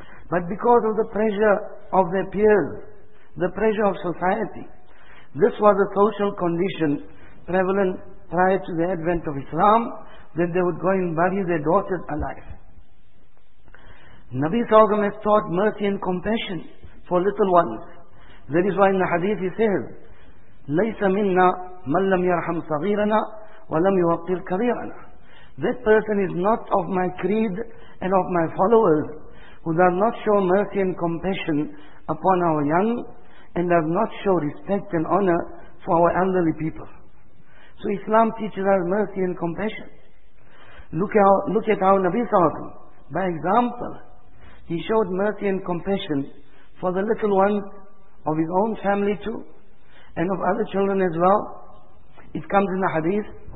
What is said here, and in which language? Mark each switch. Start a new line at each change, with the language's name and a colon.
English: But because of the pressure of their peers, the pressure of society, this was a social condition prevalent prior to the advent of Islam, that they would go and bury their daughters alive. Nabi Sallallahu Alaihi Wasallam has taught mercy and compassion for little ones. That is why in the hadith he says,
Arabic: لَيْسَ مِنَّا مَنْ لَمْ يَرْحَمْ صَغِيرَنَا وَلَمْ يُوَقِّرْ كَبِيرَنَا.
English: That person is not of my creed and of my followers who does not show mercy and compassion upon our young and does not show respect and honor for our elderly people. So Islam teaches us mercy and compassion. Look at how Nabi Sallallahu Alaihi Wasallam, by example, he showed mercy and compassion for the little ones of his own family too, and of other children as well. It comes in the hadith.